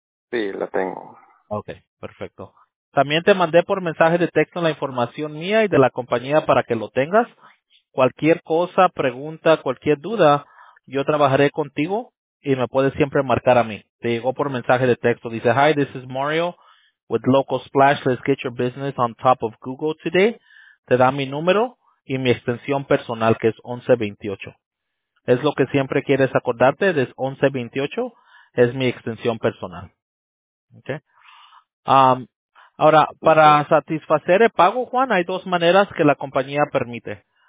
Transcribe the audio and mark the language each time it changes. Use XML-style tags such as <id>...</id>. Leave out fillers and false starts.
<es>Sí, la tengo. Okay, perfecto. También te mandé por mensaje de texto la información mía y de la compañía para que lo tengas. Cualquier cosa, pregunta, cualquier duda, yo trabajaré contigo y me puedes siempre marcar a mí. Te llegó por mensaje de texto. Dice,</es> <en>hi, this is Mario. With Local Splash, let's get your business on top of Google today.</en> <es>Te da mi número y mi extensión personal, que es 1128. Es lo que siempre quieres acordarte, es 1128, es mi extensión personal. Okay. Ahora, para satisfacer el pago, Juan, hay dos maneras que la compañía permite.</es>